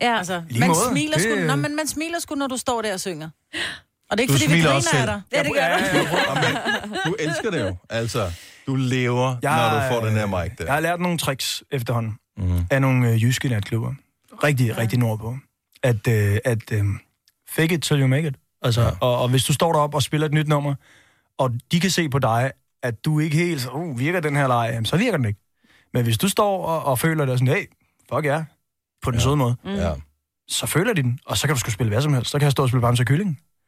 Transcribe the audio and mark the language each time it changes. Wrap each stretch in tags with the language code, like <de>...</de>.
<da>Ja. Altså, man smiler sgu, når du står der og synger. Og det er ikke, du fordi vi griner af dig. Ja, det gør du. Du elsker det jo. Altså, du lever, når du får den her mic der. Jeg har lært nogle tricks efterhånden af nogle jyske natklubber. Rigtig, rigtig nordpå.</da> <en>At fake it till you make it.</en> <da>Altså, ja. og hvis du står deroppe og spiller et nyt nummer, og de kan se på dig, at du ikke helt virker den her leg, så virker den ikke. Men hvis du står og føler dig sådan, hey, fuck ja, på den søde måde, så føler de den, og så kan du sgu spille hvad som helst. Så kan jeg stå og spille Bamse og Kylling.</da>